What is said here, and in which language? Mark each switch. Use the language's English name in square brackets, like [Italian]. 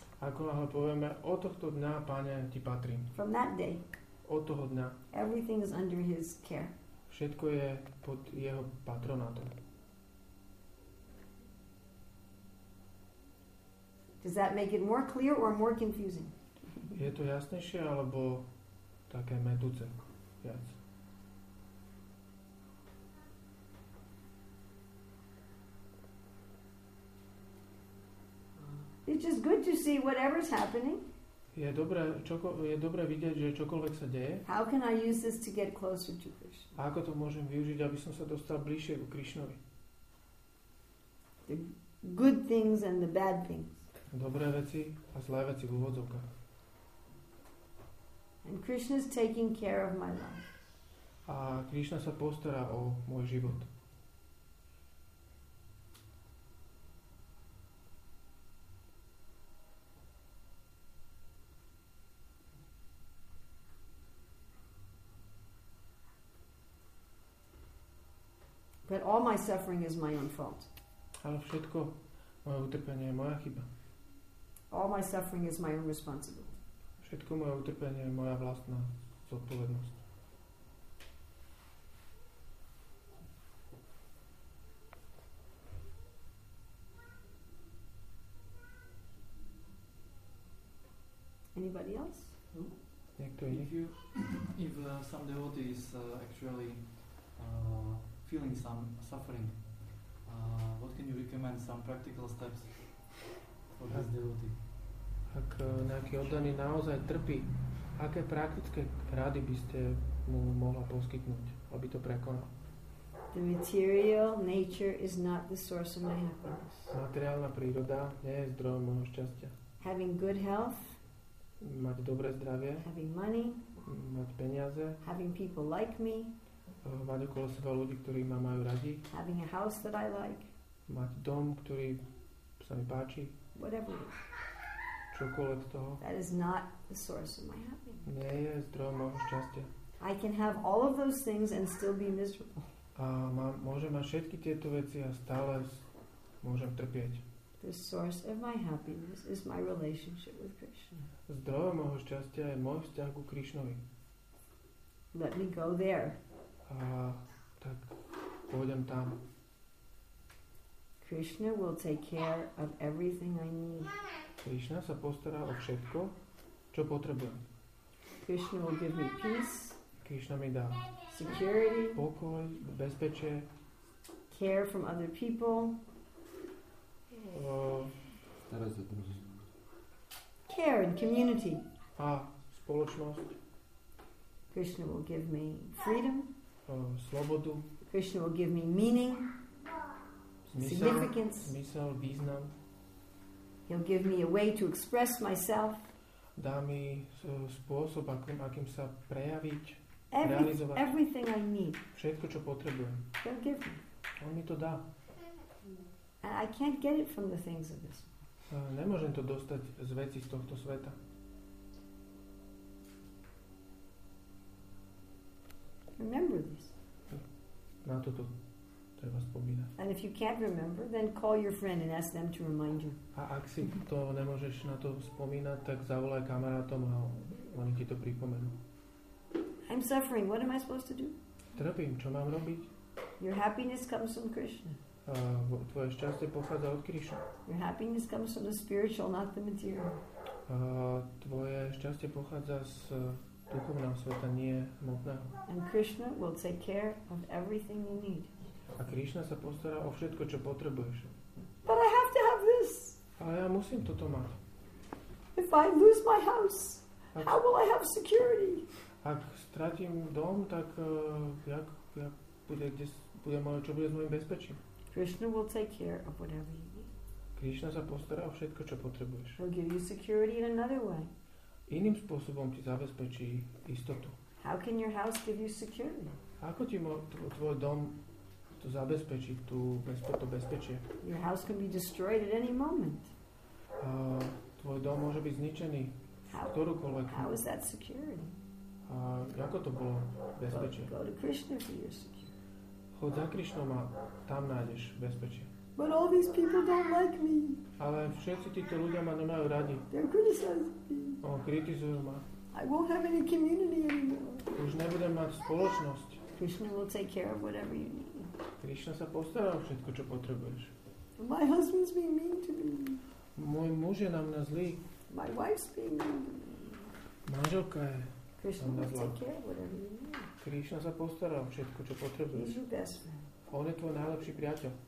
[Slovak] Ako náhle povieme, od tohto dňa, Pane, ti patrím. [English] From that day. [Slovak] Od toho dňa. [English] Everything is under his care. [Slovak] Všetko je pod jeho patronátom. [English] Does that make it more clear or more confusing? [Slovak] Je to jasnejšie alebo také metúce viac? [English] It's just good to see whatever's happening. [Slovak] Je dobré, vidieť, že čokoľvek sa deje. [English] How can I use this to get closer to Krishna? [Slovak] Ako to môžem využiť, aby som sa dostal bližšie ku Krišnovi? [English] The good things and the bad things. [Slovak] Dobré veci a zlé veci v úvodzovkách. [English] And Krishna's taking care of my life. [Slovak] A Krishna sa postará o môj život. [English] But all my suffering is my own fault. [Slovak] Ale všetko moje utrpenie je moja chyba. [English] All my suffering is my own responsibility. [Slovak] Všetko moje utrpenie je moja vlastná zodpovednosť. [English] Anybody else? [Slovak] Niekto iný? [English] If some devotee is actually feeling some suffering, what can you recommend, some practical steps for this devotee? [Slovak] Ak nejaký oddaný naozaj trpí, aké praktické rady by ste mu mohla poskytnúť, aby to prekonal? [English] The material nature is not the source of my happiness. [Slovak] Materiálna príroda nie je zdrojom môjho šťastia. [English] Having good health. [Slovak] Mať dobré zdravie. [English] Having money. [Slovak] Mať peniaze. [English] Having people like me. [Slovak] Mať okolo seba ľudí, ktorí ma majú radi. [English] Having a house that I like. [Slovak] Mať dom, ktorý sa mi páči. [English] Whatever it is. [Slovak] Čokoľvek toho. [English] That is not the source of my happiness. [Slovak] Nie je zdrojom môjho šťastia. [English] I can have all of those things and still be miserable. [Slovak] A môžem mať všetky tieto veci a stále môžem trpieť. [English] The source of my happiness is my relationship with Krishna. [Slovak] Zdrojom môjho šťastia je môj vzťah ku Krišnovi. [English] Let me go there. [Slovak] A tak pôjdem tam. [English] Krishna will take care of everything I need. [Slovak] Krishna sa postará o všetko, čo potrebujem. [English] Krishna will give me peace. [Slovak] Krishna mi dá [English] security, [Slovak] pokoj, bezpečie, [English] care from other people. [Slovak] Starosť o druhých. [English] Care and community. [Slovak] A spoločnosť. [English] Krishna will give me freedom. [Slovak] Slobodu. [English] Krishna will give me meaning. Significance. [Slovak] Zmysel, význam. [English] He'll give me a way to express myself. [Slovak] Dá mi spôsob, akým sa prejaviť, realizovať. [English] Everything I need. [Slovak] Všetko, čo potrebujem. [English] He'll give me. [Slovak] On mi to dá. [English] And I can't get it from the things of this world. [Slovak] Nemôžem to dostať z vecí z tohto sveta. [English] Remember this. [Slovak] Na toto. [English] And if you can't remember, then call your friend and ask them to remind you. [Slovak] A ak si to nemôžeš na to spomínať, tak zavolaj kamarátom a oni ti to pripomenú. [English] I'm suffering. What am I supposed to do? [Slovak] Trpím. Čo mám robiť? [English] Your happiness comes from Krishna. [Slovak] Tvoje šťastie pochádza od Krishna. [English] Your happiness comes from the spiritual, not the material. [Slovak] Tvoje šťastie pochádza z duchovného sveta, nie hmotného. [English] And Krishna will take care of everything you need. [Slovak] A Krishna sa postará o všetko, čo potrebuješ. [English] But I have to have this. [Slovak] Ale ja musím toto mať. [English] If I lose my house, how will I have security? [Slovak] Ak stratím dom, tak jak bude moje, čo bude s môjim bezpečím? [English] Krishna will take care of whatever you need. [Slovak] Krishna sa postará o všetko, čo potrebuješ. [English] He'll give you security in another way. [Slovak] Iným spôsobom ti zabezpečí istotu. [English] How can your house give you security? [Slovak] Ako ti tvoj dom to zabezpečí, to bezpečie. [English] Your house can be destroyed at any moment. [Slovak] Tvoj dom môže byť zničený v ktorúkoľvek. [English] How is that security? [Slovak] Ako to bolo bezpečie? [English] Go to Krishna for your security. [Slovak] Chod za Krišnom a tam nájdeš bezpečie. [English] But all these people don't like me. [Slovak] Ale všetci títo ľudia ma nemajú radi. [English] They're criticizing me. [Slovak] Oh, kritizujú ma. [English] I won't have any community anymore. [Slovak] Už nebudem mať spoločnosť. [English] Krishna will take care of whatever you need. [Slovak] Krishna sa postará o všetko, čo potrebuješ. [English] My husband's being mean to me. [Slovak] Môj muž je na mňa zlý. [English] My wife's being mean to me. [Slovak] Manželka je. [English] Krishna will take care of whatever you need. [Slovak] Krishna sa postará o všetko, čo potrebuješ. [English] He's your best friend. [Slovak] On je tvoj najlepší priateľ.